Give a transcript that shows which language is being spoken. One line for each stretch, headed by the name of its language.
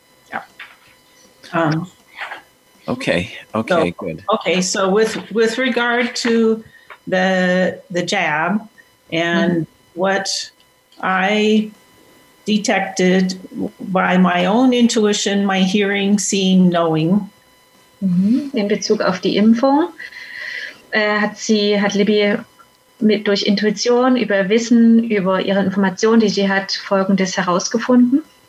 German: Ja.
English: Okay, good. Okay, so with regard to the jab and what I detected by my own intuition, my hearing, seeing, knowing.
German: In Bezug auf die Impfung hat Libby mit durch Intuition, über Wissen, über ihre Informationen, die sie hat, Folgendes herausgefunden.